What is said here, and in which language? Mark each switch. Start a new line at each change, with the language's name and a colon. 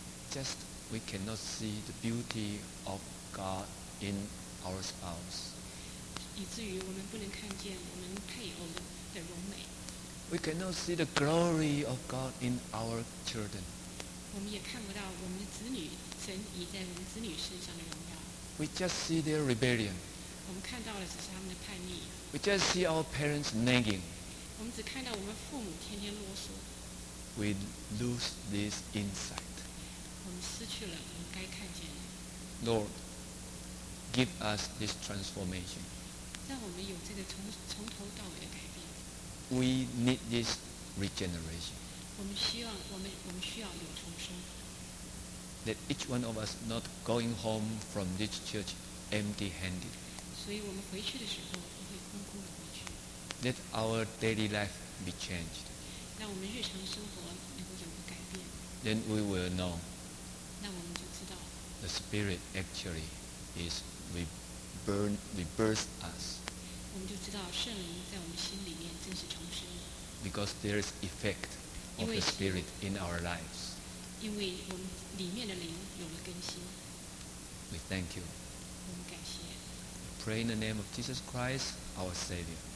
English: Just we cannot see the beauty of God in our spouse.
Chinese: 以至于我们不能看见我们配偶的荣美。
English: We cannot see the glory of God in our children.
Chinese: 我们也看不到我们的子女神已在我们子女身上的荣耀。
English: We just see their rebellion.
Chinese: 我们看到的只是他们的叛逆。
English: We just see our parents nagging.
Chinese: 我们只看到我们父母天天啰嗦。
English: We lose this insight.
Chinese: 我们失去了我们该看见的。
English: Lord, give us this transformation.
Chinese: 让我们有这个从头到尾的改变。
English: We need this regeneration.
Chinese: 我们希望我们需要有重生。
English: Let each one of us not going home from this church empty-handed.
Chinese: 所以我们回去的时候不会空空的回去。
English: Let our daily life be changed.
Chinese: 让我们日常生活能够有个改变。
English: Then we will know.
Chinese: 那我们就知道。
English: The Spirit actually is reborn. Rebirth us.
Chinese: 我们就知道圣灵在我们心里面真实重生。
English: Because there is effect of the Spirit in our lives.
Chinese: 因为我们里面的灵有了更新。
English: We thank you.
Chinese: 我们感谢。
English: We pray in the name of Jesus Christ, our Savior.